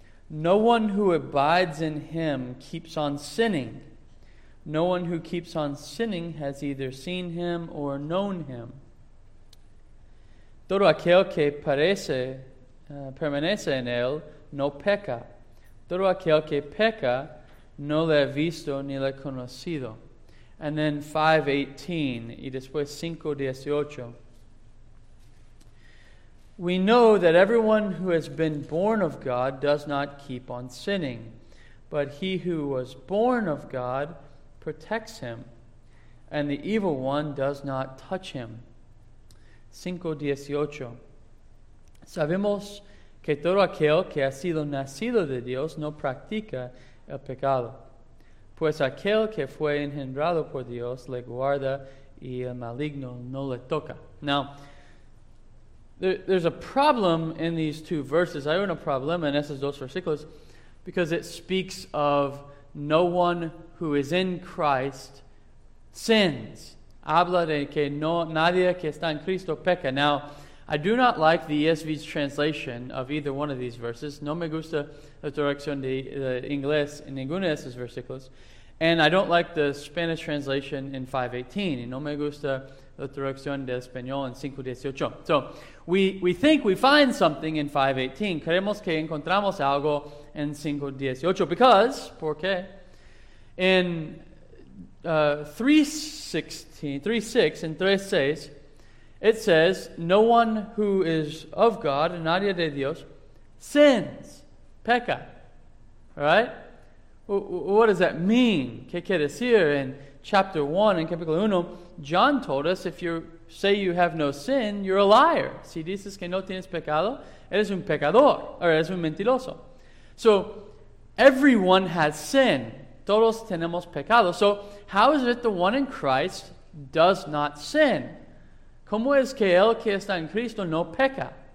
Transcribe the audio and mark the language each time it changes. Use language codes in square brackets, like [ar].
[en] No one who abides in him keeps on sinning. No one who keeps on sinning has either seen him or known him. [es] Todo aquel que permanece en él no peca. Todo aquel que peca no le ha visto ni le ha conocido. [en] And then 5:18 [es] y después 5:18. [en] We know that everyone who has been born of God does not keep on sinning, but he who was born of God protects him, and the evil one does not touch him. 5:18. [es] Sabemos que todo aquel que ha sido nacido de Dios no practica el pecado, pues aquel que fue engendrado por Dios le guarda y el maligno no le toca. [en] Now, there's a problem in these two verses. [es] Hay un problema en esos dos versículos [en] because it speaks of no one who is in Christ sins. [es] Habla de que no nadie que está en Cristo peca. [en] Now, I do not like the ESV's translation of either one of these verses. [es] No me gusta la traducción de inglés en ninguno de esos versículos. [en] And I don't like the Spanish translation in 5:18. [es] Y no me gusta la traducción de español en 5:18. [en] So, we think we find something in 5:18. [es] Creemos que encontramos algo en 5:18. [en] Because, [es] ¿por qué? [en] In 3:6, it says, no one who is of God, [es] nadie de Dios, [en] sins, [es] peca. [en] All right? What does that mean? [es] ¿Qué quiere decir? [en] In chapter 1, in [es] capítulo 1, [en] John told us, if you say you have no sin, you're a liar. [es] Si dices que no tienes pecado, eres un pecador, or eres un mentiroso. [en] So, everyone has sin. [es] Todos tenemos pecado. [en] So, how is it the one in Christ does not sin? [es] ¿Cómo es que el que está en Cristo no peca?